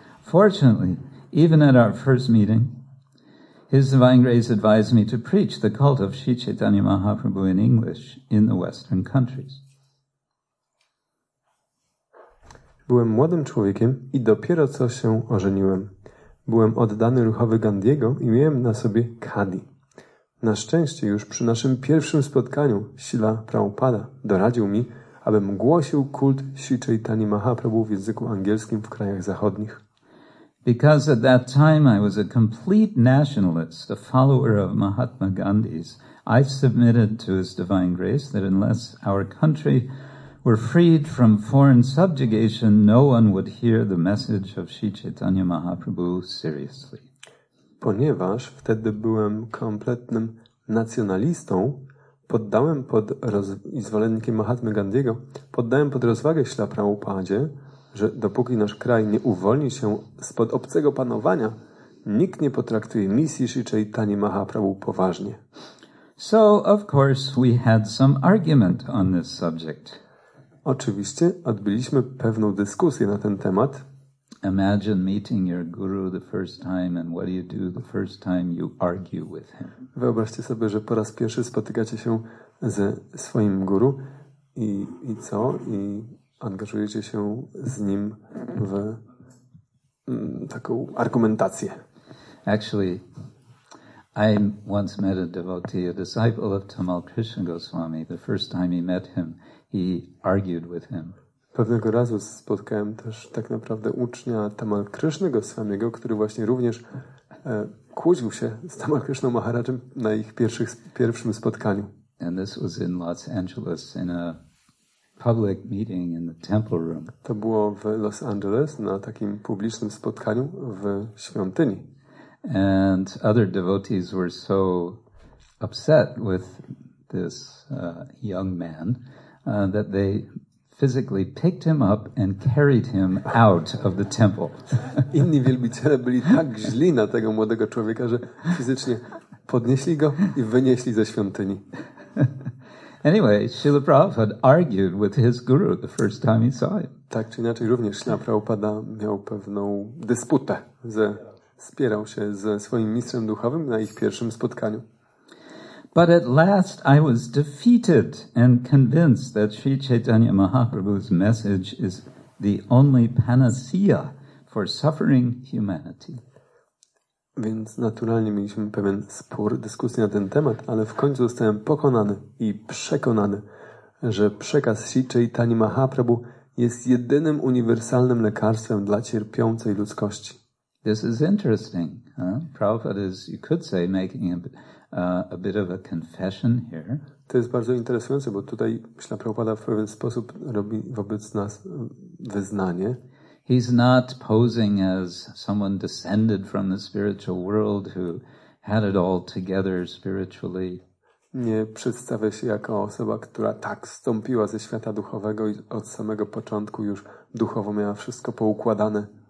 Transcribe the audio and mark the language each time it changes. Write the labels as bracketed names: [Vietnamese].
[English] Fortunately, even at our first meeting, His Divine Grace advised me to preach the cult of Sri Chaitanya Mahaprabhu in English in the Western countries. [Polish] Byłem młodym człowiekiem i dopiero co się ożeniłem. Byłem oddany ruchowi Gandhiego i miałem na sobie khadi. Na szczęście już przy naszym pierwszym spotkaniu Śrila Prabhupada doradził mi, abym głosił kult Sri Chaitanya Mahaprabhu w języku angielskim w krajach zachodnich. [English] Because at that time I was a complete nationalist, a follower of Mahatma Gandhi's, I submitted to His Divine Grace that unless our country were freed from foreign subjugation, no one would hear the message of Sri Chaitanya Mahaprabhu seriously. [Polish] Ponieważ wtedy byłem kompletnym nacjonalistą, poddałem pod zwolennikiem Mahatmy Gandhiego, poddałem pod rozwagę Śrila Prabhupadzie, że dopóki nasz kraj nie uwolni się spod obcego panowania, nikt nie potraktuje misji Sri Chaitanya Mahaprabhu poważnie. [English] So, of course, we had some argument on this subject. [Polish] Oczywiście odbyliśmy pewną dyskusję na ten temat. [English] Imagine meeting your guru the first time and what do? The first time you argue with him. [Polish] Wyobraźcie sobie, że po raz pierwszy spotykacie się ze swoim guru i co? I angażujecie się z nim w taką argumentację. [English] Actually, I once met a devotee, a disciple of Tamal Krishna Goswami. The first time he met him, he argued with him. [Polish] Pewnego razu spotkałem też tak naprawdę ucznia Tamal Krishna Goswamiego, który właśnie również kłócił się z Tamal Krishna Maharajem na ich pierwszym spotkaniu. [English] And this was in Los Angeles in a public meeting in the temple room. [Polish] To było w Los Angeles na takim publicznym spotkaniu w świątyni. [English] And other devotees were so upset with this young man that they physically picked him up and carried him out of the temple. [Polish] Inni wielbiciele byli tak źli na tego młodego człowieka, że fizycznie podnieśli go i wynieśli ze świątyni. [English] Anyway, Śrīla Prabhupāda argued with his guru the first time he saw him. [Polish] Tak czy inaczej, również Śrīla Prabhupāda miał pewną dysputę, spierał się ze swoim mistrzem duchowym na ich pierwszym spotkaniu. [English] But at last I was defeated and convinced that Sri Chaitanya Mahaprabhu's message is the only panacea for suffering humanity. [Polish] Więc naturalnie mieliśmy pewien spór, dyskusję na ten temat, ale w końcu zostałem pokonany i przekonany, że przekaz Sri Chaitanya Mahaprabhu jest jedynym uniwersalnym lekarstwem dla cierpiącej ludzkości. [English] This is interesting. Prabhupada is, you could say, making a bit of a confession here. [Polish] To jest bardzo interesujące, bo tutaj myślę, Prabhupada w pewien sposób robi wobec nas wyznanie. [English] He's not posing as someone descended from the spiritual world who had it all together spiritually. [Polish] Nie przedstawia się jako osoba, która tak zstąpiła ze świata duchowego i od samego początku już duchowo miała wszystko poukładane.